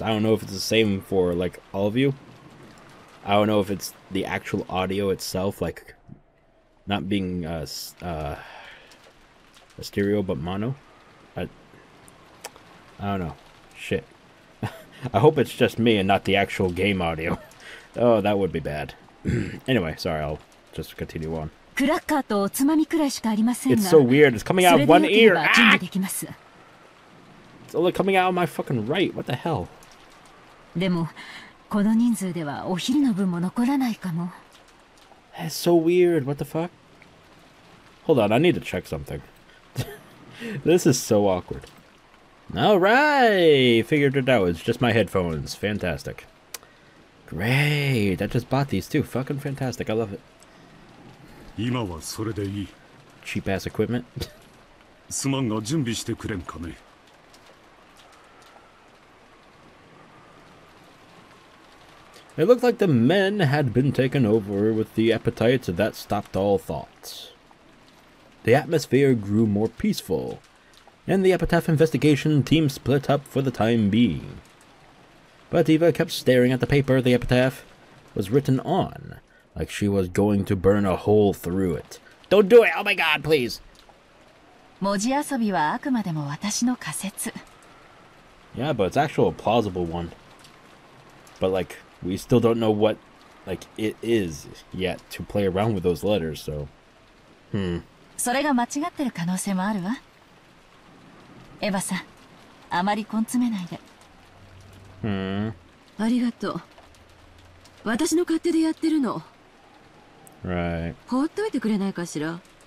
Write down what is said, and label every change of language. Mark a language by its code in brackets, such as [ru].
[en] I don't know if it's the same for, like, all of you. I don't know if it's the actual audio itself, like, not being, a stereo, but mono. I don't know. Shit. I hope it's just me and not the actual game audio. Oh, that would be bad. Anyway, sorry, I'll just continue on. [ja] クラッカーとおつまみくらいしかありませんが、 [en] It's so weird. It's coming out of one ear. [ja] それでよければ準備できます。 [en] Ah! Only coming out of my fucking right. What the hell? [ja] でもこの人数ではお昼の分も残らないかも。 [en] That's so weird. What the fuck? Hold on, I need to check something. This is so awkward. Alright! Figured it out. It's just my headphones. Fantastic. Great! I just bought these too. Fucking fantastic. I love it. [ja] 今はそれでいい. [en] Cheap ass equipment. [ja] すまんが準備してくれんかね? [en] It looked like the men had been taken over with the appetite that stopped all thoughts. The atmosphere grew more peaceful, and the epitaph investigation team split up for the time being. But Eva kept staring at the paper the epitaph was written on, like she was going to burn a hole through it. Don't do it! Oh my god, please! [ja] 文字遊びはあくまでも私の仮説. [en] Yeah, but it's actually a plausible one. But like, we still don't know what, like, it is yet to play around with those letters, so... Hmm. [ja] それが間違ってる可能性もあるわ. Eva-san, あまり根詰めないで. Hmm. ありがとう。私の勝手でやってるの。 [en] Right. [ja] 放っといてくれないかしら?